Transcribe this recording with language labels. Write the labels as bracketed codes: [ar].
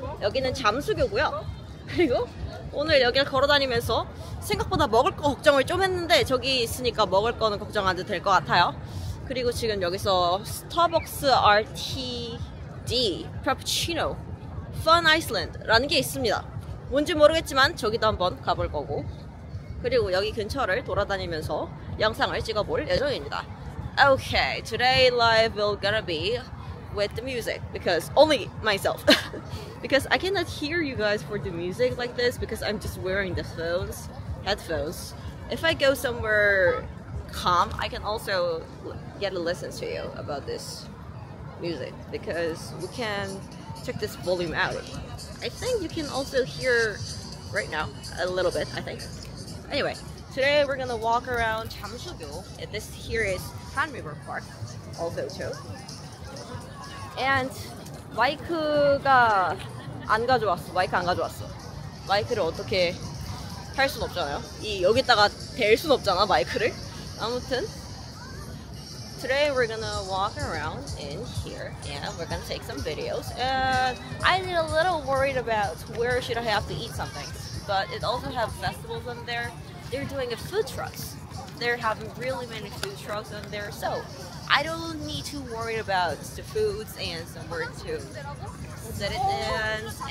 [ko] 여기는 잠수교고요. 그리고 오늘 여기를 걸어다니면서 생각보다 먹을 거 걱정을 좀 했는데 저기 있으니까 먹을 거는 걱정 안 해도 될 것 같아요. 그리고 지금 여기서 스타벅스 RTD 프라푸치노 Fun Iceland라는 게 있습니다. 뭔지 모르겠지만 저기도 한번 가볼 거고 그리고 여기 근처를 돌아다니면서 영상을 찍어볼 예정입니다. [en] Okay, today live will gonna be with the music because only myself because I cannot hear you guys for the music like this because I'm just wearing the phones, headphones. If I go somewhere calm, I can also get a listen to you about this music because we can check this volume out. I think you can also hear right now a little bit, I think. Anyway, today we're gonna walk around 잠수교. This here is Han River Park, also too. [ko] And 마이크가 안 가져왔어. 마이크 안 가져왔어. 마이크를 어떻게 할 순 없잖아요. 이 여기다가 댈 순 없잖아, 마이크를. 아무튼 [en] today we're gonna walk around in here and we're gonna take some videos and I'm a little worried about where should I have to eat something but it also have festivals in there. They're doing a food trucks. They're having really many food trucks in there so I don't need to worry about the foods and somewhere to set it in.